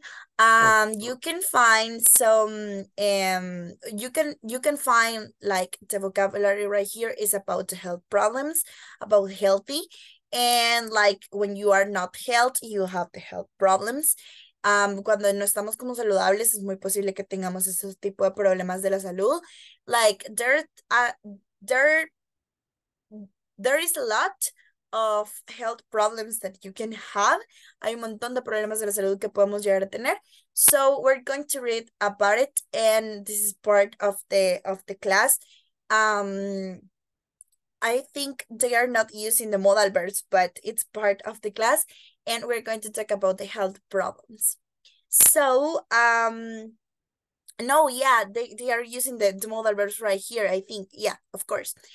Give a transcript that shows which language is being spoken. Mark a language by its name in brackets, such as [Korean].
[English] You can find you can find like the vocabulary right here is about health problems, about healthy, and like when you are not healthy, you have the health problems. [Spanish] Cuando no estamos como saludables, es muy posible que tengamos esos tipo de problemas de la salud. [English] Like there There is a lot of health problems that you can have. [Spanish] Hay un montón de problemas de la salud que podemos llegar a tener. [English] So we're going to read about it, and this is part of the class. I think they are not using the modal verbs, but it's part of the class, and we're going to talk about the health problems. So no, yeah, they are using the modal verbs right here, I think. Yeah, of course.